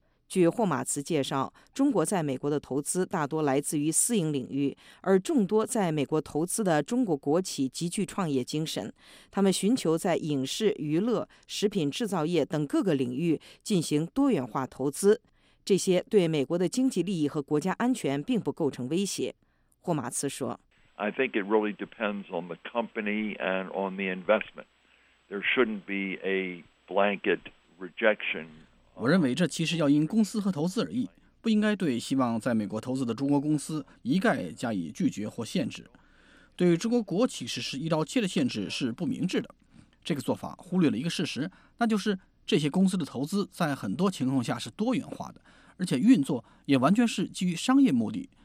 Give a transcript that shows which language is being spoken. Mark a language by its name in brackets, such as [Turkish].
[Chinese] 据霍马茨介绍，中国在美国的投资大多来自于私营领域，而众多在美国投资的中国国企极具创业精神，他们寻求在影视、娱乐、食品制造业等各个领域进行多元化投资，这些对美国的经济利益和国家安全并不构成威胁。霍马茨说， [English] I think it really depends on the company and on the investment. There shouldn't be a blanket rejection. [Chinese] 我认为这其实要因公司和投资而异，不应该对希望在美国投资的中国公司一概加以拒绝或限制。对中国国企实施1-7的限制是不明智的，这个做法忽略了一个事实，那就是这些公司的投资在很多情况下是多元化的，而且运作也完全是基于商业目的。